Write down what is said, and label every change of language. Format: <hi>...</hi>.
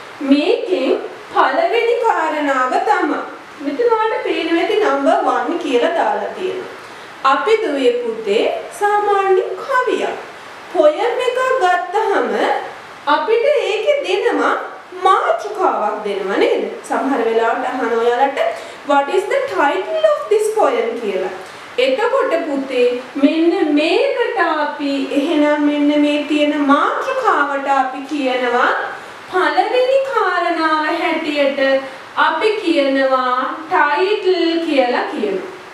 <si>මේකෙන් පළවෙනි කාරණාව තමයි මෙතන වල පේනවා ඇති නම්බර් 1 කියලා දාලා තියෙනවා. අපි දුවේ පුතේ සාමාන්‍ය කවියක් පොයම් එකක් ගත්තහම අපිට ඒකේ දෙනවා මාතෘකාවක් දෙනවා නේද? සමහර වෙලාවට අහන ඔයාලට</si> <en>what is the title of this poem</en> <si>කියලා. එතකොට පුතේ මෙන්න මේකට අපි එහෙනම් මෙන්න මේ තියෙන මාතෘකාවට අපි කියනවා පළවෙනි කාරණාව හැටියට අපි කියනවා title කියලා කියනවා.</si>